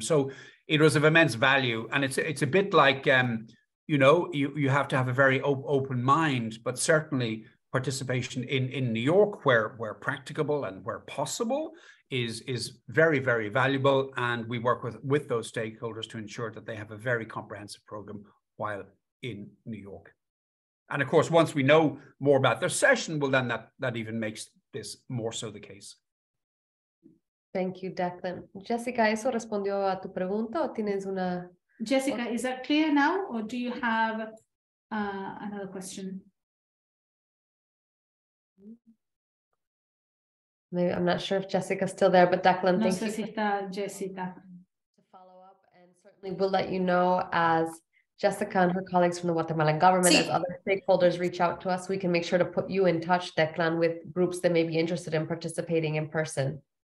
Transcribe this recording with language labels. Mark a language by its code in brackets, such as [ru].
[en] So it was of immense value. And it's a bit like, you have to have a very open mind, but certainly participation in New York where practicable and where possible is very, very valuable. And we work with those stakeholders to ensure that they have a very comprehensive program while in New York. And of course, once we know more about their session, well, then that even makes this more so the case. Thank you, Declan. [es] Jessica, ¿eso respondió a tu pregunta o tienes una? [en] Jessica, is that clear now or do you have another question? Maybe I'm not sure if Jessica's still there, but Declan, no, thank [es] you. Necesita Jessica. [en] To follow up, and certainly we'll let you know as Jessica and her colleagues from the Guatemalan government, sí, as other stakeholders reach out to us, we can make sure to put you in touch, Declan, with groups that may be interested in participating in person.